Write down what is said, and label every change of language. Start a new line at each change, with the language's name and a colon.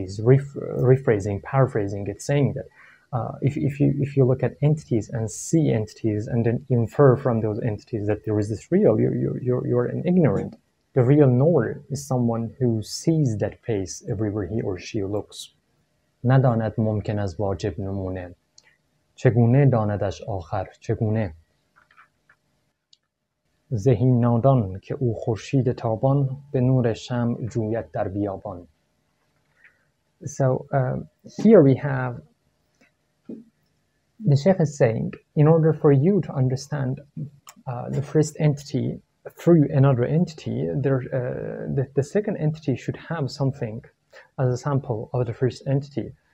English: He's rephrasing, paraphrasing it, saying that if you look at entities and see entities and then infer from those entities that there is this real, you're an ignorant. The real knower is someone who sees that face everywhere he or she looks.
Persian: نداند ممکن از واجب نمونه. چگونه داندش آخر؟ چگونه؟ زهی نادان که او خورشید تابان به نور شمع جوید در بیابان.
English: So here we have the Sheikh is saying, in order for you to understand the first entity through another entity, the second entity should have something as a sample of the first entity.